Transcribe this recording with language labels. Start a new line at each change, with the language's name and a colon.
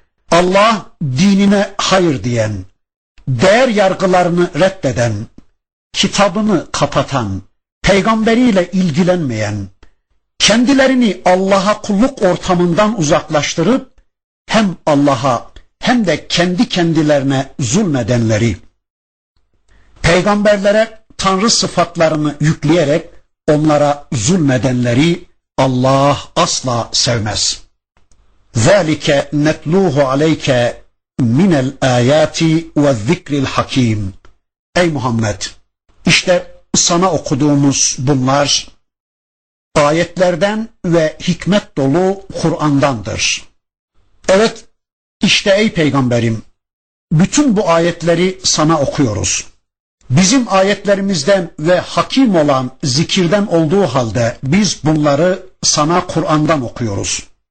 Turkish: Allah dinine hayır diyen, değer yargılarını reddeden, kitabını kapatan, peygamberiyle ilgilenmeyen, kendilerini Allah'a kulluk ortamından uzaklaştırıp hem Allah'a hem de kendi kendilerine zulmedenleri, peygamberlere Tanrı sıfatlarını yükleyerek onlara zulmedenleri Allah asla sevmez.
Arabic: ذَٰلِكَ نَتْلُوهُ عَلَيْكَ مِنَ الْآيَاتِ وَالذِّكْرِ الْحَك۪يمِ
Turkish: Ey Muhammed! İşte sana okuduğumuz bunlar ayetlerden ve hikmet dolu Kur'an'dandır. Evet, işte ey peygamberim, bütün bu ayetleri sana okuyoruz. Bizim ayetlerimizden ve hakim olan zikirden olduğu halde biz bunları sana Kur'an'dan okuyoruz.